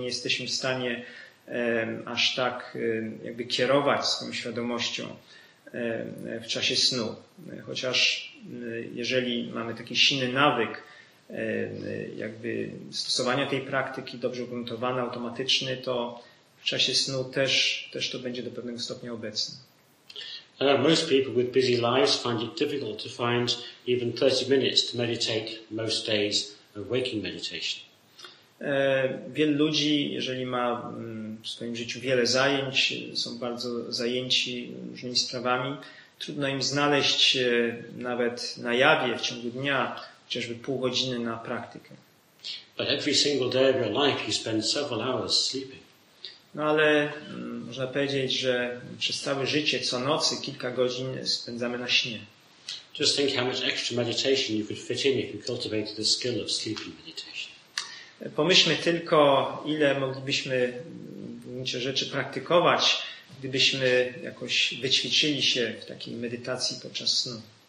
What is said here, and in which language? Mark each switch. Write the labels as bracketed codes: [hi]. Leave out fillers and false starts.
[pl] Nie jesteśmy w stanie aż tak jakby kierować swoją świadomością w czasie snu. Chociaż jeżeli mamy taki silny nawyk jakby stosowania tej praktyki, dobrze ugruntowany, automatyczny, to w czasie snu też to będzie do pewnego stopnia obecne. [en] Most people with busy lives find it difficult to find even 30 minutes to meditate most days. Waking meditation. [pl] Wielu ludzi, jeżeli ma w swoim życiu wiele zajęć, są bardzo zajęci różnymi sprawami, trudno im znaleźć nawet na jawie w ciągu dnia chociażby pół godziny na praktykę. [en] But every single day of your life you spend several hours sleeping. [pl] No ale można powiedzieć, że przez całe życie, co nocy, kilka godzin spędzamy na śnie. [en] Just think how much extra meditation you could fit in if you cultivated the skill of sleepy meditation. [pl] Pomyślmy tylko, ile moglibyśmy w gruncie rzeczy praktykować, gdybyśmy jakoś wyćwiczyli się w takiej medytacji podczas snu.